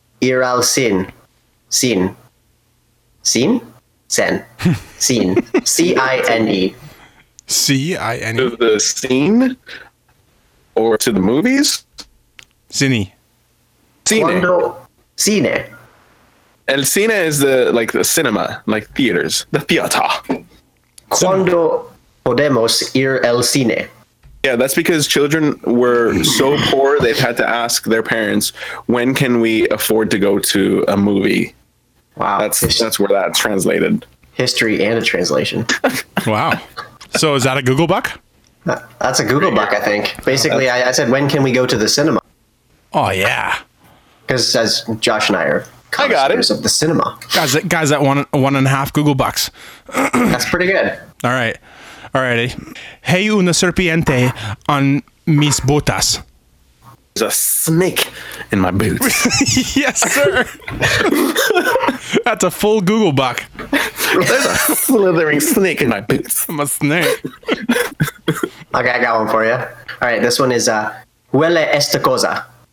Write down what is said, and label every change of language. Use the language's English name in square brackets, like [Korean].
[Spanish] Ir al sin. Sin. Sin? Sen. Scene. C-I-N-E. C-I-N-E. [English] To the scene? Or to the movies? [Spanish] Cine. Cine. Cine. [English] El cine is the cinema, like theaters. The theater. [Spanish] Cuando podemos ir al cine? [English] Yeah, that's because children were so poor, they've had to ask their parents, when can we afford to go to a movie? Wow. That's where that's translated. History and a translation. Wow. So is that a Google buck? That's a Google buck, I think. Basically, I said, when can we go to the cinema? Oh, yeah. Because as Josh and I are connoisseurs of the cinema. Guys, that one and a half Google bucks. That's pretty good. All right. All righty. [Spanish] Hay una serpiente on mis botas. [English] There's a snake in my boots. Yes, sir. That's a full Google buck. There's a slithering snake in my boots. I'm a snake. Okay, I got one for you. All right, this one is [Spanish] huele esta cosa.